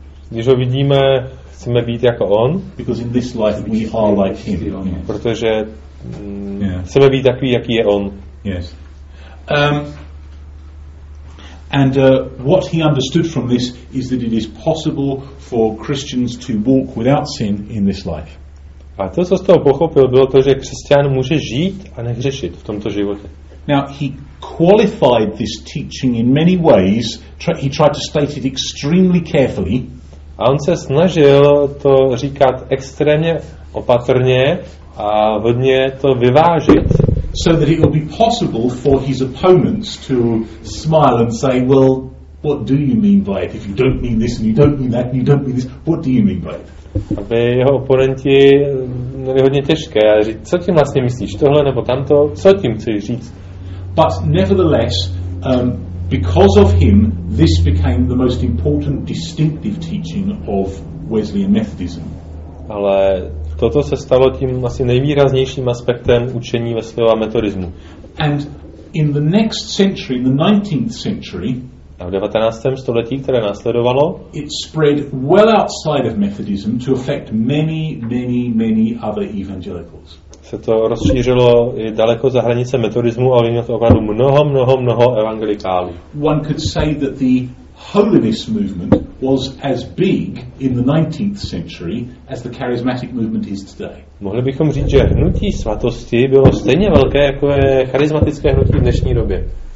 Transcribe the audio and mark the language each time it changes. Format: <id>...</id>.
<cs>Když ho vidíme, chceme být jako on.</cs> <en>Because in this life we are like him.</en> <cs>Protože chceme být takový, jaký je on.</cs> <en>Yes. And what he understood from this is that it is possible for Christians to walk without sin in this life.</en> <cs>A to, co z toho pochopil, bylo to, že křesťan může žít a nehřešit v tomto životě.</cs> <en>Now, he qualified this teaching in many ways. He tried to state it extremely carefully.</en> <cs>A on se snažil to říkat extrémně opatrně a hodně to vyvážit.</cs> <en>So that it would be possible for his opponents to smile and say, well, what do you mean by it? If you don't mean this and you don't mean that and you don't mean this, what do you mean by it?</en> <cs>Aby jeho oponenti měli hodně těžké a říct, co tím vlastně myslíš, tohle nebo tamto, co tím chceš říct?</cs> <en>But nevertheless, because of him, this became the most important distinctive teaching of Wesleyan Methodism.</en> <cs>Ale toto se stalo tím asi nejvýraznějším aspektem učení Wesleyova metodismu.</cs> <en>And in the next century, in the 19th century,</en> <cs>a v 19. století, které následovalo,</cs> <en>it spread well outside of Methodism to affect many, many, many other evangelicals.</en> <cs>Se to rozšířilo i daleko za hranice metodismu a ovlivnilo to opravdu mnoho, mnoho, mnoho evangelikálů.</cs> <en>One could say that the Holiness movement was as big in the 19th century as the charismatic movement is today.</en> <cs>Mohli bychom říct, že hnutí svatosti bylo stejně velké jako je charismatické hnutí v dnešní době.</cs>